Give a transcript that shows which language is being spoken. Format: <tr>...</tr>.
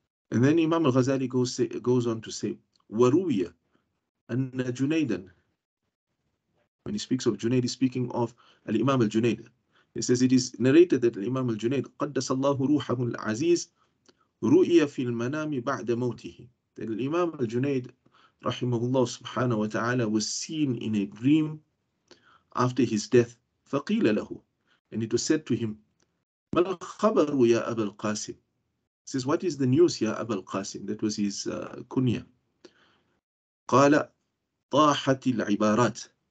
<en>And then Imam al-Ghazali goes on to say,</en> <ar>وَرُوِيَ أَنَّ جُنَيْدًا.</ar> <en>When he speaks of Junaid, he's speaking of Al-Imam al-Junaid. He says, it is narrated that Al-Imam al-Junaid,</en> <ar>قَدَّسَ اللَّهُ رُوحَهُ الْعَزِيزُ رُؤِيَ فِي الْمَنَامِ بَعْدَ مَوْتِهِ.</ar> <en>That Al-Imam al-Junaid, rahimahullah subhanahu wa ta'ala, was seen in a dream after his death.</en> <ar>فَقِيلَ لَهُ.</ar> <en>And it was said to him,</en> <ar>مَا الْخَبَرُ يَا أَبَا الْقَاسِمِ.</ar> <en>He says, what is the news, Ya Abu al-Qasim? That was his kunya.</en> <ar>قَالَ طَاحَتِ الْعِبَارَاتِ.</ar>